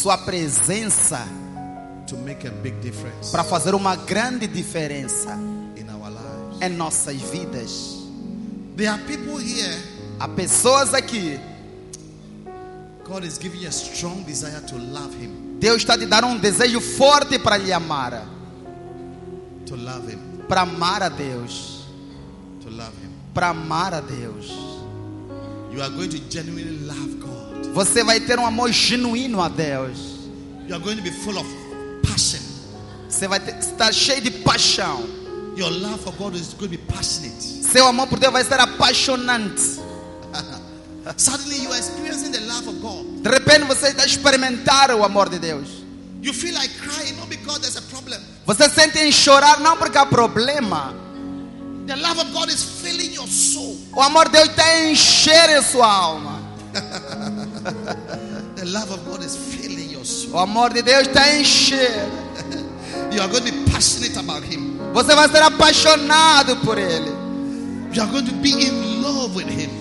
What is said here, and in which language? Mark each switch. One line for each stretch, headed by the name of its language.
Portuguese: Sua presença.
English: To make a big difference.
Portuguese: Para fazer uma grande diferença.
English: In our lives.
Portuguese: Em nossas vidas.
English: There are people here.
Portuguese: Há pessoas aqui.
English: God is giving you a strong desire to love Him.
Portuguese: Deus está te dando desejo forte para lhe amar.
English: To love Him.
Portuguese: Para amar a Deus.
English: To love Him.
Portuguese: Para amar a Deus.
English: You are going to genuinely love God.
Portuguese: Você vai ter amor genuíno a Deus.
English: You are going to be full of passion.
Portuguese: Você vai estar cheio de paixão.
English: Your love for God is going to be passionate.
Portuguese: Seu amor por Deus vai ser apaixonante.
English: Suddenly you are experiencing the love of God.
Portuguese: De repente você está experimentando o amor de Deus.
English: You feel like crying not because there's a problem.
Portuguese: Você sente em chorar não porque há problema.
English: The love of God is filling your soul.
Portuguese: O amor de Deus está enchendo sua alma.
English: The love of God is filling your soul.
Portuguese: O amor de Deus está enchendo.
English: You are going to be passionate about Him.
Portuguese: Você vai ser apaixonado por Ele.
English: You are going to be in love with Him.